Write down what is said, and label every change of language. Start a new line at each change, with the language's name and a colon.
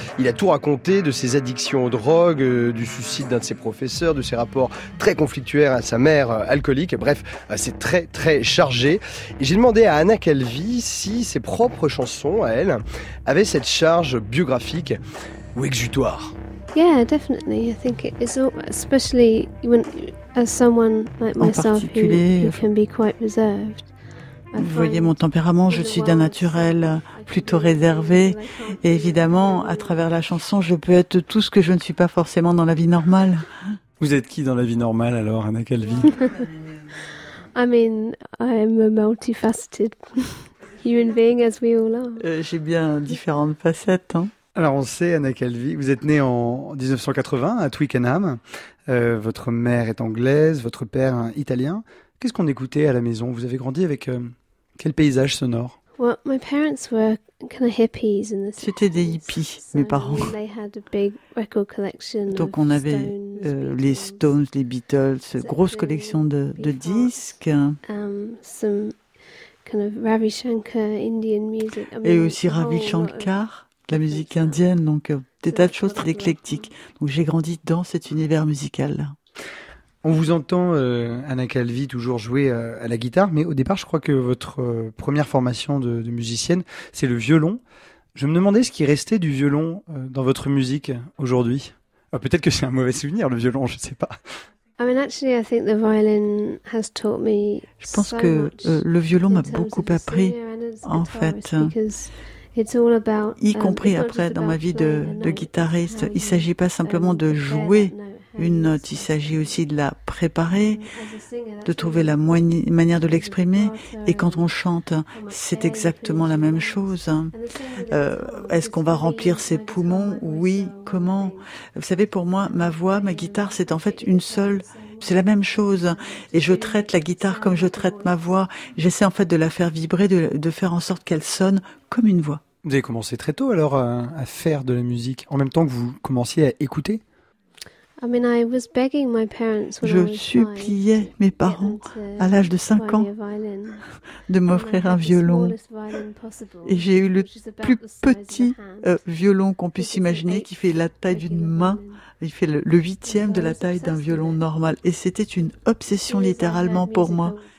French: Il a tout raconté de ses addictions aux drogues, du suicide d'un de ses professeurs, de ses rapports très conflictuels à sa mère alcoolique. Bref, c'est très très chargé. J'ai demandé à Anna Calvi si ses propres chansons, à elle, avaient cette charge biographique. ou exutoire.
English: Yeah, definitely. I think it's all, especially when, as someone like myself, who can be quite reserved.
French: Vous voyez mon tempérament, je suis d'un naturel plutôt réservé. Et évidemment, à travers la chanson, je peux être tout ce que je ne suis pas forcément dans la vie normale. Vous êtes qui dans la vie normale alors, Anna Calvi?
English: I mean, I'm a multifaceted human being as we all are.
French: J'ai bien différentes facettes, hein. Alors on sait, Anna Calvi, vous êtes née en 1980 à Twickenham. Votre mère est anglaise, votre père est italien. Qu'est-ce qu'on écoutait à la maison? Vous avez grandi avec quel paysage sonore?
English: Well, my parents were kind of hippies in the 70s.
French: C'était des hippies, mes parents.
English: They had a big record collection.
French: Donc on avait les Stones, les Beatles, grosse collection de disques.
English: Some kind of Ravi Shankar Indian music.
French: Et aussi Ravi Shankar, la musique indienne, donc des tas de choses très éclectiques. Donc j'ai grandi dans cet univers musical. On vous entend, Anna Calvi, toujours jouer à la guitare, mais au départ, je crois que votre première formation de musicienne, c'est le violon. Je me demandais ce qui restait du violon dans votre musique aujourd'hui. Peut-être que c'est un mauvais souvenir, le violon, je ne sais pas.
English: I mean, actually, I think the violin has taught me.
French: Je pense que le violon m'a beaucoup appris, en fait.
English: It's all about,
French: y compris après dans ma vie de guitariste. Il ne s'agit pas simplement de jouer une note, il s'agit aussi de la préparer, de trouver la manière de l'exprimer. Et quand on chante, c'est exactement la même chose. Est-ce qu'on va remplir ses poumons? Oui, comment? Vous savez, pour moi, ma voix, ma guitare, c'est en fait une seule, c'est la même chose. Et je traite la guitare comme je traite ma voix. J'essaie en fait de la faire vibrer, de faire en sorte qu'elle sonne comme une voix. Vous avez commencé très tôt alors à faire de la musique, en même temps que vous commenciez à écouter?
English: I mean, I was begging my parents when
French: je suppliais mes parents à l'âge de 5 ans de m'offrir un violon. Et j'ai eu le plus petit violon qu'on puisse imaginer, qui fait la taille d'une main. Il fait le huitième de la taille d'un violon normal. Et c'était une obsession littéralement pour moi.